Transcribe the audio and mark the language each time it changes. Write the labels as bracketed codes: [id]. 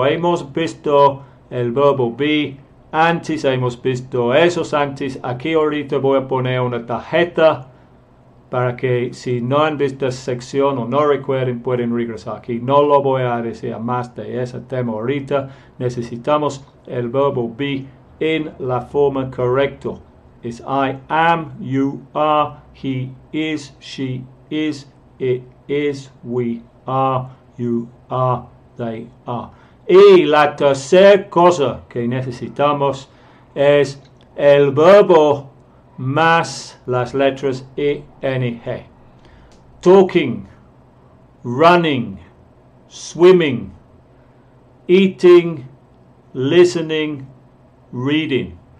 [es] Hemos visto el verbo be. Antes hemos visto esos antes. Aquí ahorita voy a poner una tarjeta para que si no han visto sección o no recuerden, pueden regresar aquí. No lo voy a decir más de ese tema ahorita. Necesitamos el verbo be en la forma correcta. [en] Es I am, you are, he is, she is, it is, we are, you are, they are. [es] Y la tercera cosa que necesitamos es el verbo más las letras ing. [en] Talking, running, swimming, eating, listening, reading.